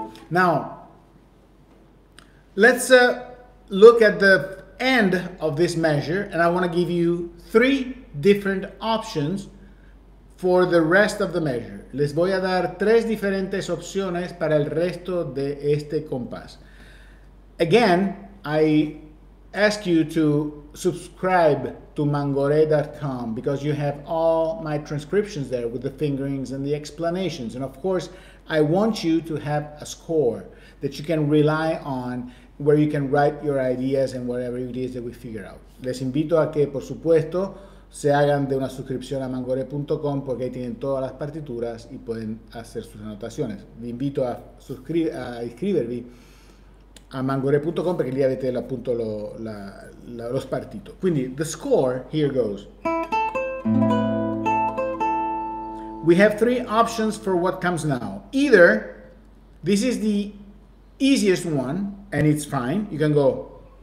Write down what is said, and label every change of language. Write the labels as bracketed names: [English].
[English] Now, let's look at the end of this measure, and I want to give you three different options for the rest of the measure. [Spanish] Les voy a dar tres diferentes opciones para el resto de este compás. [English] Again, I ask you to subscribe to mangore.com because you have all my transcriptions there with the fingerings and the explanations. And of course, I want you to have a score that you can rely on where you can write your ideas and whatever it is that we figure out. [Spanish] Les invito a que, por supuesto, se hagan de una suscripción a mangore.com porque ahí tienen todas las partituras y pueden hacer sus anotaciones. Les invito a inscribirme a mangore.com porque el día de hoy le apunto los partitos. [English] Quindi, the score here goes. We have three options for what comes now. Either this is the easiest one and it's fine. You can go.